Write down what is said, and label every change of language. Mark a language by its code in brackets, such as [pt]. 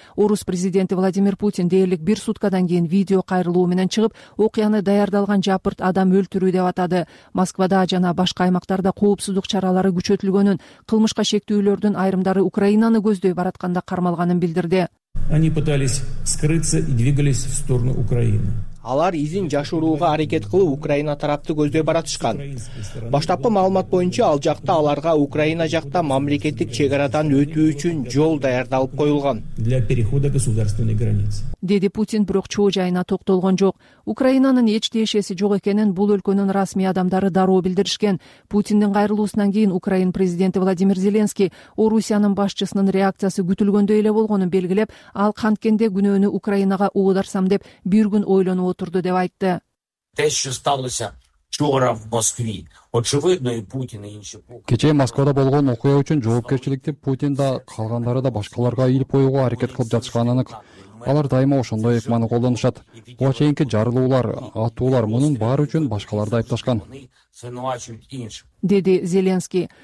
[ky] Орус президенти Владимир Путин дээрлик бир суткадан кийин видео кайрылуу менен чыгып, окуяны даярдалган жапырт адам өлтүрүү деп атады. Москвада жана башка аймактарда коопсуздук чаралары күчөтүлгөнүн, кылмышка шектүүлөрдүн айрымдары Украинаны көздөй баратканда кармалганын билдирди. [ru] Они пытались скрыться и двигались в сторону Украины. [ky] Алар изин жашырууга аракет кылып Украина тарапты көздөй баратышкан. Баштапкы маалымат боюнча ал жакта аларга Украина жакта мамлекеттик чек арадан өтүү үчүн жол даярдалып коюлган. [ru] Для перехода государственной границы. [ky] Деди Путин, бирок чоо жайына токтолгон жок. Украинанын эч тиешеси жок экенин бул өлкөнүн расмий адамдары дароо билдиришкен. Путиндин кайрылуусунан кийин Украин президенти Владимир Зеленский Орусиянын башчысынын реакциясы күтүлгөндөй эле болгонун белгилеп, ал канткенде күнөөнү Украинага оодарсам деп бир күн ойлонуп отурду деп айтты. [uk] Те, что сталося вчера в Москве, очевидно, и Путин и инши. [ky] Кечээ Москвада болгон окуя үчүн жоопкерчиликти Путин да, калгандары да башкаларга илип коюуга аракет кылып жатышканы анык. Алар дайыма ошондой ыкманы колдонушат. Буга чейинки жарылуулар, атуулар мунун баары үчүн башкаларды айыпташкан. Деди Зеленский.